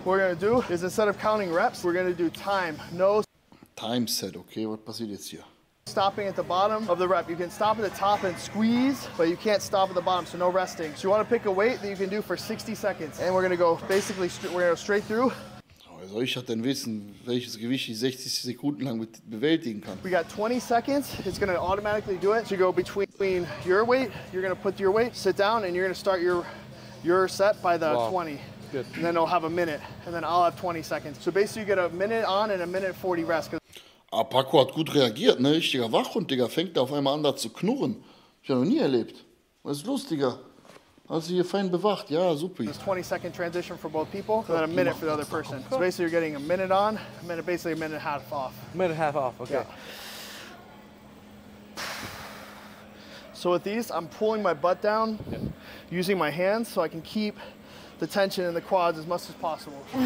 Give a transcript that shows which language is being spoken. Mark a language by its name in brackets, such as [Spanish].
[English] What we're going to do is instead of counting reps, we're going to do time. No. Time set, okay. What [German] passiert jetzt hier? [English] Stopping at the bottom of the rep. You can stop at the top and squeeze, but you can't stop at the bottom, so no resting. So you want to pick a weight that you can do for 60 seconds. And we're going to go basically, we're going to go straight through. [German] Wie soll ich denn wissen, welches Gewicht ich 60 Sekunden lang bewältigen kann? [English] We got 20 seconds. It's gonna automatically do it. So you go between your weight. You're gonna put your weight, sit down, and you're gonna start your set by the 20. Good. And then I'll have a minute, and then I'll have 20 seconds. So basically, you get a minute on and a minute 40 rest. [German] Aber Paco hat gut reagiert, ne? Richtiger Wachhund, Digga, fängt da auf einmal an, da zu knurren. Ich habe noch nie erlebt. Was ist los, Digga? Also hier fein bewacht, ja, super. [English] It's 20 second transition for both people, and then a minute for the other person. So basically you're getting a minute on, a minute, basically a minute and a half off. Minute and a half off, okay. Yeah. So with these, I'm pulling my butt down, yeah, using my hands so I can keep the tension in the quads as much as possible.